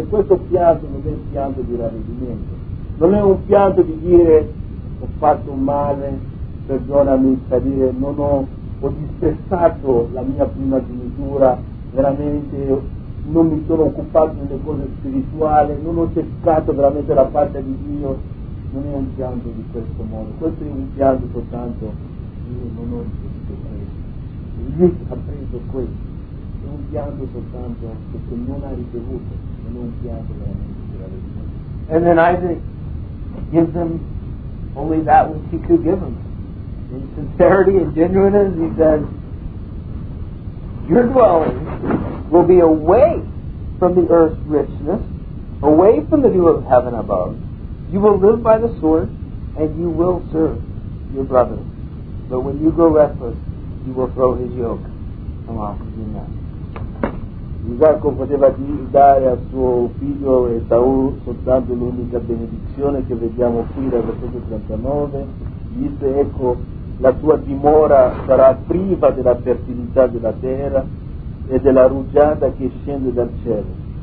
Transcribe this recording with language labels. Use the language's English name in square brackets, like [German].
[Italian] E questo pianto non è il pianto di ravvedimento. Non è un pianto di dire ho fatto male, perdonami, per dire non ho, ho dispersato la mia prima genitura, veramente non mi sono occupato delle cose spirituali, non ho cercato veramente la parte di Dio. Non è un pianto di questo modo. Questo è un pianto soltanto, io non ho ricevuto questo, lui ha preso questo, è un pianto soltanto perché non ha ricevuto, non è un pianto veramente che l'ha ricevuto. [English] And then Isaac gives him only that which he could give him. In sincerity and genuineness, he says, your dwelling will be away from the earth's richness, away from the dew of heaven above. You will live by the sword, and you will serve your brother. But when you grow restless, you will throw his yoke off of your neck. [Italian] Isacco poteva dare a suo figlio Esaù soltanto l'unica benedizione che vediamo qui dal versetto 39. Disse, ecco, la tua dimora sarà priva della fertilità della terra e della rugiada che scende dal cielo.